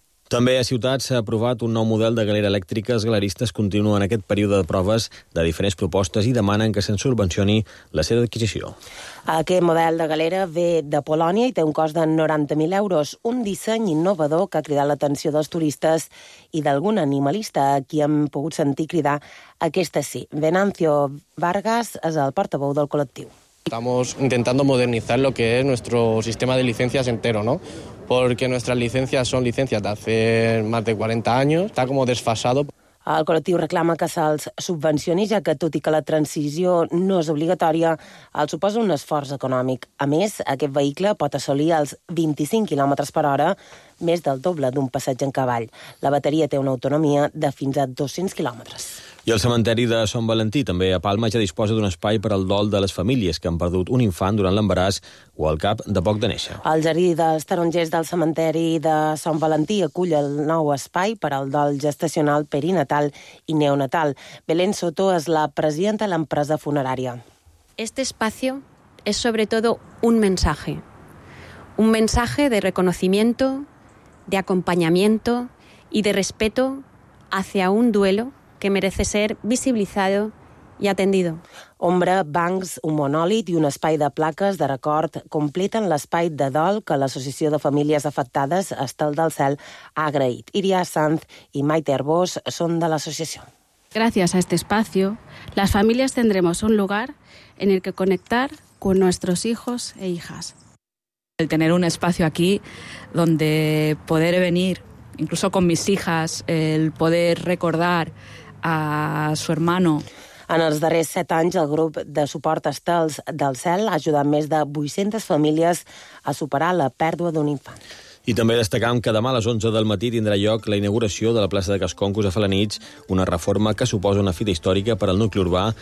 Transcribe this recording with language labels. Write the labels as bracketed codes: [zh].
[ca] També a Ciutat s'ha aprovat un nou model de galera elèctrica. Els galeristes continuen aquest període de proves de diferents propostes i demanen que se'n subvencioni la seva adquisició. Aquest model de galera ve de Polònia i té un cost de 90.000 euros. Un disseny innovador que ha cridat l'atenció dels turistes i d'algun animalista a qui hem pogut sentir cridar aquesta sí. Venancio Vargas és el portaveu del col·lectiu. [es] Estamos intentando modernizar lo que es nuestro sistema de licencias entero, ¿no? Porque nuestras licencias son licencias de hace más de 40 años, está como desfasado. [ca] El col·lectiu reclama que se'ls subvencioni, ja que, tot i que la transició no és obligatòria, els suposa un esforç econòmic. A més, aquest vehicle pot assolir els 25 km per hora, més del doble d'un passeig en cavall. La bateria té una autonomia de fins a 200 km. I el cementeri de Sant Valentí, també a Palma, ja disposa d'un espai per al dol de les famílies que han perdut un infant durant l'embaràs o al cap de poc de néixer. El jardí dels tarongers del cementeri de Sant Valentí acull el nou espai per al dol gestacional perinatal i neonatal. Belén Soto és la presidenta de l'empresa funerària. [es] Este espacio es sobre todo un mensaje. Un mensaje de reconocimiento, de acompañamiento y de respeto hacia un duelo que merece ser visibilizado y atendido. [ca] Ombra, bancs, un monòlit i un espai de plaques de record completen l'espai de dol que l'Associació de Famílies Afectades Estel del Cel ha agraït. Iria Sanz i Maite Arbós són de l'associació. [es] Gracias a este espacio, las familias tendremos un lugar en el que conectar con nuestros hijos e hijas. El tener un espacio aquí donde poder venir, incluso con mis hijas, el poder recordar a su hermano. [ca] En els darrers 7 anys, el grup de suport Estels del Cel ha ajudat més de 800 famílies a superar la pèrdua d'un infant. I també destacam que demà a les 11 del matí tindrà lloc la inauguració de la plaça de Casconcos a Felanitx, una reforma que suposa una fita històrica per al nucli urbà.